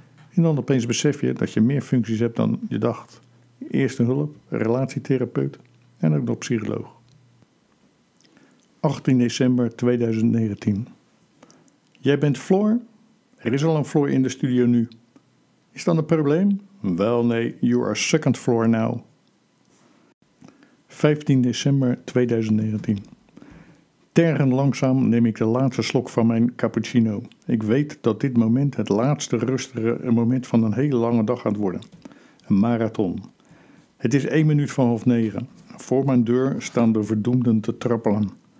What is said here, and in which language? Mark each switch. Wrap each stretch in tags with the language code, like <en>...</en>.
<nl>En dan opeens besef je dat je meer functies hebt dan je dacht. Eerste hulp, relatietherapeut en ook nog psycholoog. 18 december 2019. Jij bent Floor? Er is al een Floor in de studio nu. Is dat een probleem? Wel nee,</nl> <en>you are second Floor now.</en> <nl>15 december 2019. Tergend langzaam neem ik de laatste slok van mijn cappuccino. Ik weet dat dit moment het laatste rustige moment van een hele lange dag gaat worden. Een marathon. Het is 8:58. Voor mijn deur staan de verdoemden te trappelen.</nl>